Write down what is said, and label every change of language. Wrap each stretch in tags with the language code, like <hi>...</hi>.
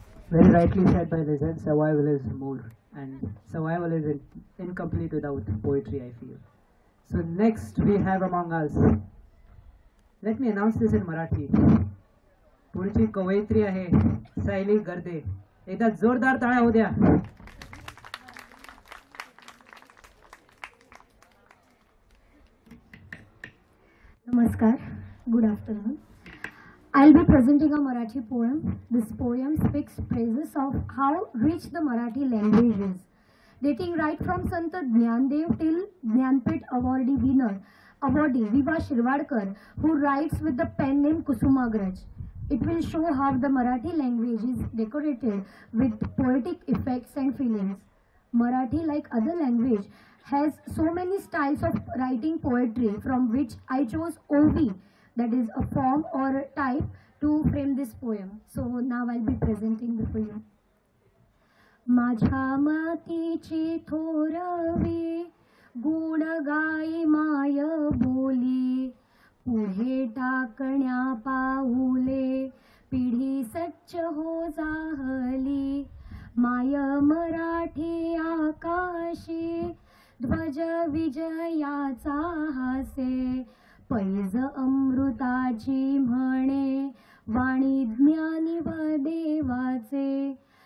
<en>Well, rightly said by Lizanne, survival is more, and survival is incomplete without poetry, I feel. So next we have among us, let me announce this in Marathi.</en> <mr>पुढची कवयित्री आहे सायली गर्दे एकदा जोरदार ताळ्या होऊ द्या</mr> <en>नमस्कार good afternoon I will be presenting a Marathi poem this poem speaks praises of how rich the Marathi language is dating right from Sant Dnyandev till Jnanpith awardee winner awardee Vibha Shirwadkar who writes with the pen name Kusumagraj It will show how the Marathi language is decorated with poetic effects and feelings. Marathi, like other language, has so many styles of writing poetry, from which I chose OV, that is a form or a type, to frame this poem. So now I'll be presenting the poem.</en> <mr>माझा मातीची थोरवी गुण गाई माय बोली पुढे टाकण्या पाऊले पिढी सच्च हो जाहली माय मराठी आकाशी ध्वज विजयाचा हासे पैज अमृताची म्हणे वाणी ज्ञानी व देवाचे</mr>